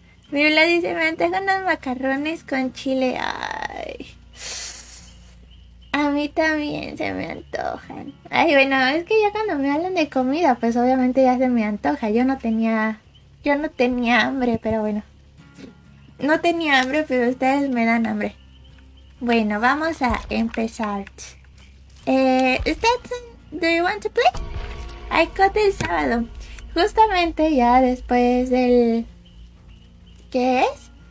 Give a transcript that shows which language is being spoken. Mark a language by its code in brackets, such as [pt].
[es] Mi Vlad dice, me antojo unos macarrones con chile. Ay, a mí también se me antojan. Ay, bueno, es que ya cuando me hablan de comida, pues obviamente ya se me antoja. Yo no tenía hambre, pero bueno. No tenía hambre, pero ustedes me dan hambre. Bueno, vamos a empezar. [en] Stetson, do you want to play? [es] Hay cote el sábado. Justamente ya después del... ¿Qué es?